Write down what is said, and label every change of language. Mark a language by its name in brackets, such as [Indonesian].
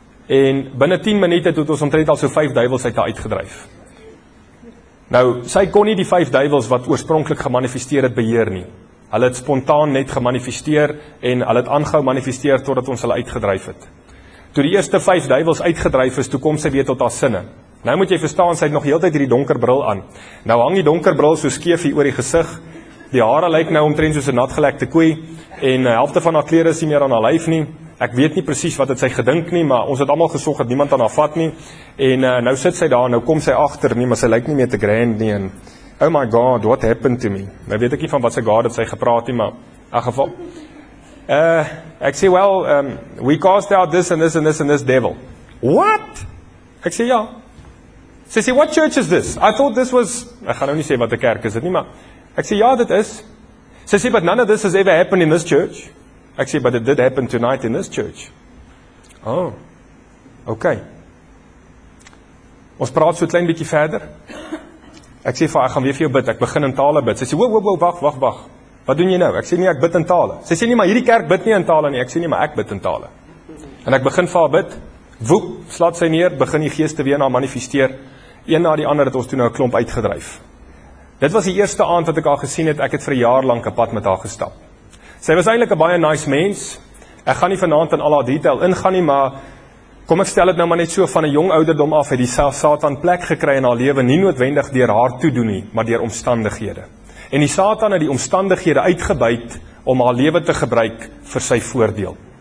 [Afrikaans] En binne 10 minute het ons omtrent al so 5 duivels uit haar uitgedryf. Nou, sy kon nie die 5 duivels wat oorspronklik gemanifesteer het beheer nie. Hulle het spontaan net gemanifesteer en hulle het aangehou manifesteer totdat ons hulle uitgedryf het. Toe die eerste 5 duivels uitgedryf is, toe kom sy weer tot haar sinne. Nou moet jy verstaan, sy het nog heeltyd hierdie donker bril aan. Nou hang die donker bril so skeef hier oor die gesig. Die hare lyk nou omtrent soos 'n natgelekte koei en die helfte van haar klere is nie meer aan haar lyf nie. Ek weet nie presies wat het sy gedink nie, maar ons het allemaal gesog dat niemand aan haar vat nie, en nou sit sy daar, nou kom sy achter nie, maar sy lyk nie meer te grand nie, en [English] oh my God, what happened to me? [Afrikaans] Nou weet ek nie van wat sy God het sy gepraat nie, maar in geval, ek sê, [English] well, we cast out this and this and this and this devil. What? [Afrikaans] Ek sê, ja. Sy sê, [English] what church is this? I thought this was, [Afrikaans] ek gaan nou nie sê wat die kerk is dit nie, maar ek sê, ja, dit is. Sy sê, [English] but none of this has ever happened in this church. [Afrikaans] Ek sê, [English] but it did happen tonight in this church. Oh, ok. [Afrikaans] Ons praat so klein bietjie verder. Ek sê, ek gaan weer vir jou bid, ek begin in tale bid. Sy sê, wacht, wat doen jy nou? Ek sê nie, ek bid in tale. Sy sê nie, maar hierdie kerk bid nie in tale nie. Ek sê nie, maar ek bid in tale. En ek begin vir haar bid, woep, slaat sy neer, begin die geeste weer na manifesteer. Een na die ander het ons toe nou een klomp uitgedryf. Dit was die eerste aand wat ek haar gesien het, ek het vir jaar lang een pad met haar gestap. Sy was eintlik 'n baie nice mens, ek gaan nie vanaand in al haar detail ingaan nie, maar kom ek stel het nou maar net so van 'n jong ouderdom af, het die Satan plek gekry in haar lewe, nie noodwendig deur haar toedoen nie, maar deur omstandighede. En die Satan het die omstandighede uitgebuit om haar lewe te gebruik vir sy voordeel.